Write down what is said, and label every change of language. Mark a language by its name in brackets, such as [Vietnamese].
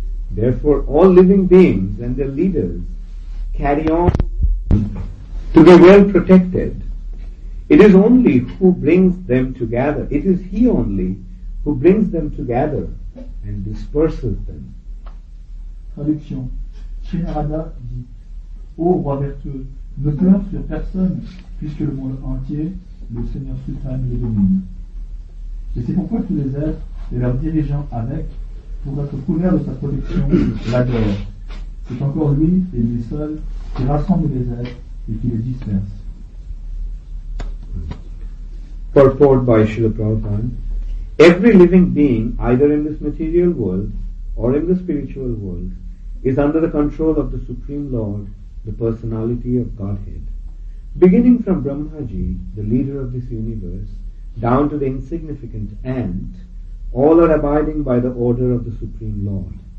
[English] Therefore, all living beings and their leaders carry on to be well protected. It is only who brings them together. It is he only who brings them together and disperses them. [French] Traduction. Sri Narada dit, O roi vertueux, ne pleure sur personne, puisque le monde entier, le Seigneur suprême le domine. Et c'est pourquoi tous les êtres et leurs dirigeants avec, pour être couverts de sa protection, l'adorent. C'est encore lui et lui seul qui rassemble les êtres et qui les disperse. [English] Purport by Srila Prabhupada. Every living being, either in this material world or in the spiritual world, is under the control of the Supreme Lord, the personality of Godhead. Beginning from Brahmaji, the leader of this universe, down to the insignificant ant, all are abiding by the order of the Supreme Lord.